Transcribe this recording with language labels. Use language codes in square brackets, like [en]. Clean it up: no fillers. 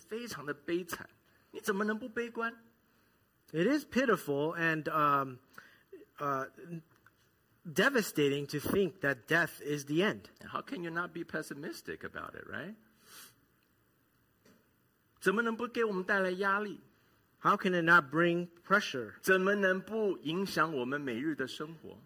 [zh] 想到死是人生的终点,是非常的悲惨,你怎么能不悲观? [en] It is pitiful and devastating to think that death is the end. How can you not be pessimistic about it, right? [zh] 怎么能不给我们带来压力? [en] How can it not bring pressure? [zh] 怎么能不影响我们每日的生活?